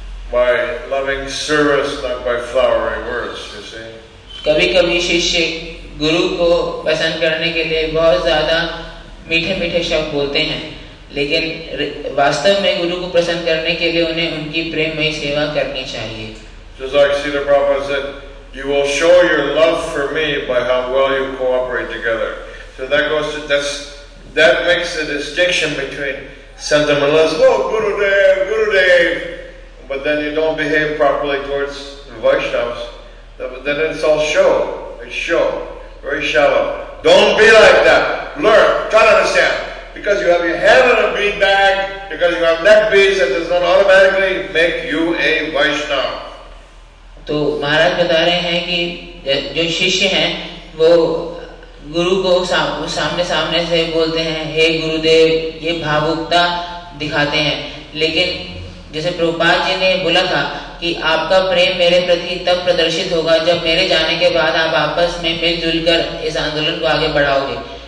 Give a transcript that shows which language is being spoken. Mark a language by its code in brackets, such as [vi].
[en] By loving service, not by flowery words, you see. [hi] कभी कभी शिष्य गुरु को पसंद करने के लिए बहुत ज्यादा मीठे मीठे शब्द बोलते हैं, लेकिन वास्तव में गुरु को पसंद करने के लिए उन्हें उनकी प्रेममयी सेवा करनी चाहिए. [en] Just like Srila Prabhupada said, you will show your love for me by how well you cooperate together. So that goes to that makes the distinction between sentimentalism, oh Gurudev, Gurudev. But then you don't behave properly towards Vaishnavas. Then it's all show. It's show. Very shallow. Don't be like that. Learn. Try to understand. Because you have your head on a bead bag, because you have neck beads, it does not automatically make you a Vaishnava. [hi] तो महाराज बता रहे हैं कि जो शिष्य हैं वो गुरु को सामने सामने से बोलते हैं, हे गुरुदेव, ये भावुकता दिखाते हैं, लेकिन जैसे प्रभुपाद जी ने बोला था कि आपका प्रेम मेरे प्रति तब प्रदर्शित होगा जब मेरे जाने के बाद आप आपस में मिलजुल कर इस आंदोलन को आगे बढ़ाओगे.